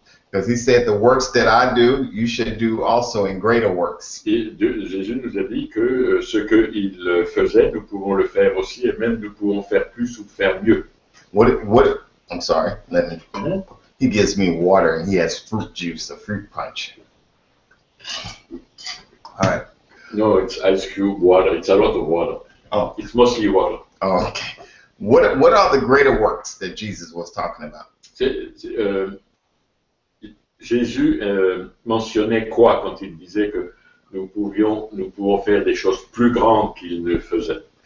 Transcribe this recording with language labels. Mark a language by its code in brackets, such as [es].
[en] Because he said, the works that I do, you should do also in greater works. [fr] Jésus nous a dit que ce qu'il faisait, nous pouvons le faire aussi et même nous pouvons faire plus ou faire mieux. [en] I'm sorry, let me. He gives me water and he has fruit juice, a fruit punch. All right. No, it's ice cube water. It's a lot of water. Oh. It's mostly water. Oh, okay. What are the greater works that Jesus was talking about? [fr] Jésus mentionnait quoi quand il disait que nous pouvons faire des choses plus grandes qu'il ne faisait?